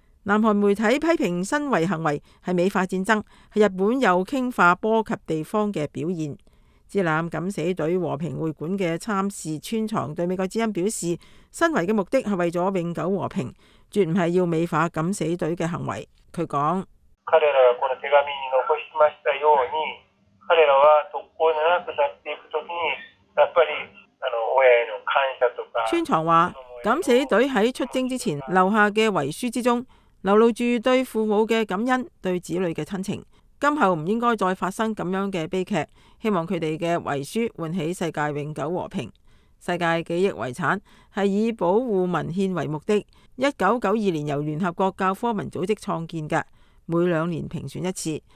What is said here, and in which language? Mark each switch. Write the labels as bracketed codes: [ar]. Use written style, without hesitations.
[zh] 南韩媒体批评身遗行为是美化战争，是日本右倾化波及地方的表现。支榄敢死队和平会馆的参事川藏对美国之音表示，身遗的目的是为了永久和平，绝不是要美化敢死队的行为。他说， [ja] 彼らはこの手紙に残しましたように、彼らは特攻長くなっていくときに、やっぱり親への感謝とか。 [zh] 川藏说，敢死队在出征之前留下的遗书之中流露着对父母的感恩，对子女的亲情，今后不应该再发生这样的悲剧，希望他们的遗书唤起世界永久和平。世界记忆遗产是以保护文献为目的，1992年由联合国教科文组织创建的，每两年评选一次。